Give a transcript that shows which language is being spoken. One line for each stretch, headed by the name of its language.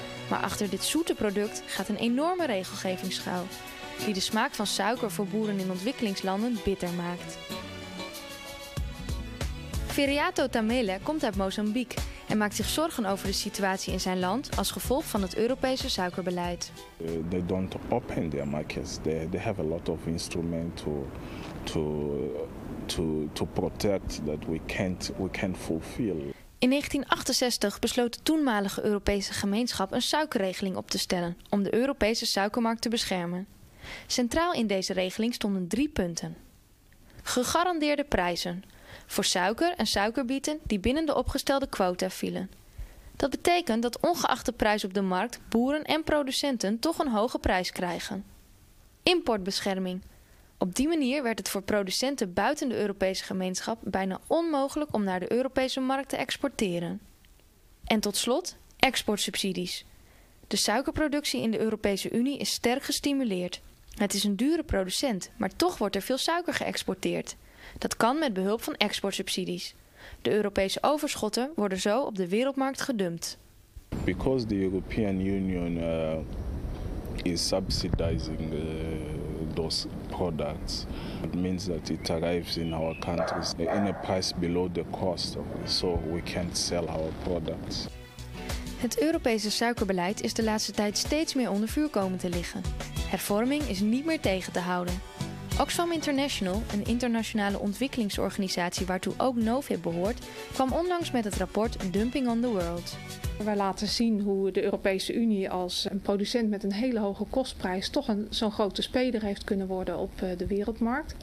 Dutch: Maar achter dit zoete product gaat een enorme regelgeving schuil, die de smaak van suiker voor boeren in ontwikkelingslanden bitter maakt. Ferreato Tamele komt uit Mozambique en maakt zich zorgen over de situatie in zijn land als gevolg van het Europese suikerbeleid.
English: They don't open their markets. They have a lot of instruments to protect that we can't fulfill.
Dutch: In 1968 besloot de toenmalige Europese gemeenschap een suikerregeling op te stellen om de Europese suikermarkt te beschermen. Centraal in deze regeling stonden drie punten: gegarandeerde prijzen voor suiker en suikerbieten die binnen de opgestelde quota vielen. Dat betekent dat ongeacht de prijs op de markt boeren en producenten toch een hoge prijs krijgen. Importbescherming. Op die manier werd het voor producenten buiten de Europese gemeenschap bijna onmogelijk om naar de Europese markt te exporteren. En tot slot, exportsubsidies. De suikerproductie in de Europese Unie is sterk gestimuleerd. Het is een dure producent, maar toch wordt er veel suiker geëxporteerd. Dat kan met behulp van exportsubsidies. De Europese overschotten worden zo op de wereldmarkt gedumpt.
English: Because the European Union is subsidizing those products, it means that it arrives in our countries in a price below the cost, so we can't sell our products.
Dutch: Het Europese suikerbeleid is de laatste tijd steeds meer onder vuur komen te liggen. Hervorming is niet meer tegen te houden. Oxfam International, een internationale ontwikkelingsorganisatie waartoe ook NOVIB behoort, kwam onlangs met het rapport Dumping on the World. Wij laten zien hoe de Europese Unie als een producent met een hele hoge kostprijs toch zo'n grote speler heeft kunnen worden op de wereldmarkt.